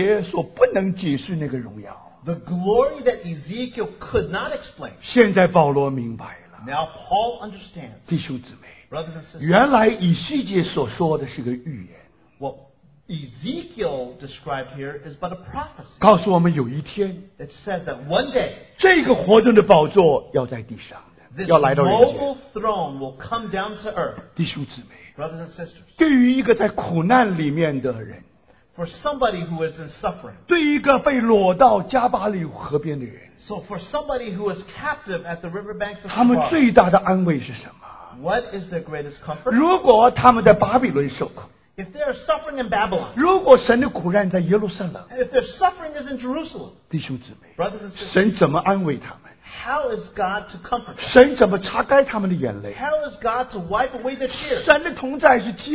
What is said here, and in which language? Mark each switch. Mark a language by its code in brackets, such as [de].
[zh] 那个以西结所不能解释那个荣耀, [en] the glory that Ezekiel could not explain, [zh] 现在保罗明白了。 [en] Now Paul understands. [zh] 弟兄姊妹, [en] brothers and sisters, [zh] 原来以西结所说的是个预言。 [en] What Ezekiel described here is but a prophecy. [zh] 告诉我们有一天, [en] it says that one day, [zh] 这个活动的宝座要在地上的, [en] this [zh] 要来到人间, [en] mobile throne will come down to earth. [zh] 弟兄姊妹, [en] brothers and sisters, [zh] 对于一个在苦难里面的人, [en] for somebody who is in suffering, [zh] 对于一个被掳到加巴利河边的人, [en] so for somebody who is captive at the riverbanks of Kibar, [zh] 他们最大的安慰是什么? [en] What is their greatest comfort? [zh] 如果他们在巴比伦受苦, [en] if they are suffering in Babylon, [zh] 如果神的苦难在耶路撒冷, [en] if their suffering is in Jerusalem, [zh] 弟兄姊妹, [en] brothers and sisters, [zh] 神怎么安慰他们? [en] How is God to comfort them? [zh] 神怎么擦干他们的眼泪? [en] How is God to wipe away their tears?